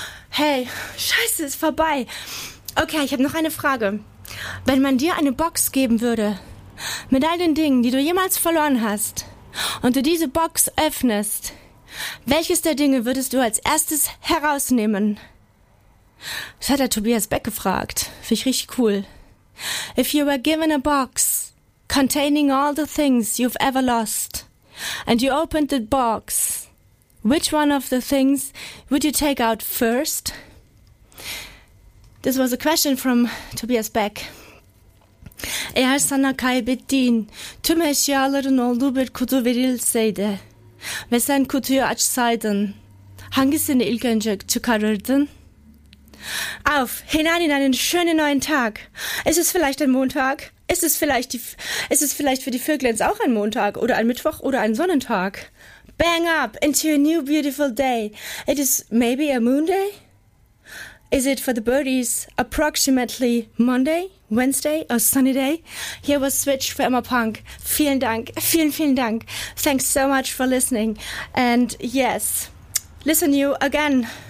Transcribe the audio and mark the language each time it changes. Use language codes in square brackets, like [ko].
[de] Hey, scheiße, ist vorbei. Okay, ich habe noch eine Frage. Wenn man dir eine Box geben würde, mit all den Dingen, die du jemals verloren hast, und du diese Box öffnest, welches der Dinge würdest du als erstes herausnehmen? Das hat der Tobias Beck gefragt. Finde ich richtig cool. [en] If you were given a box containing all the things you've ever lost, and you opened the box, which one of the things would you take out first? This was a question from Tobias Beck. [tr] Eğer sana kaybettiğin tüm eşyaların olduğu bir kutu verilseydi ve sen kutuyu açsaydın, hangisini ilk önce çıkarırdın? [de] Auf, hinein in einen schönen neuen Tag. Ist es vielleicht ein Montag? Ist es vielleicht für die Vöglein auch ein Montag oder ein Mittwoch oder ein Sonnentag? [en] Bang up into a new beautiful day. It is maybe a moon day? Is it for the birdies approximately Monday, Wednesday or sunny day? Here was Switch for Emma Punk. [de] Vielen Dank. Vielen, vielen Dank. [en] Thanks so much for listening. And yes, listen you again.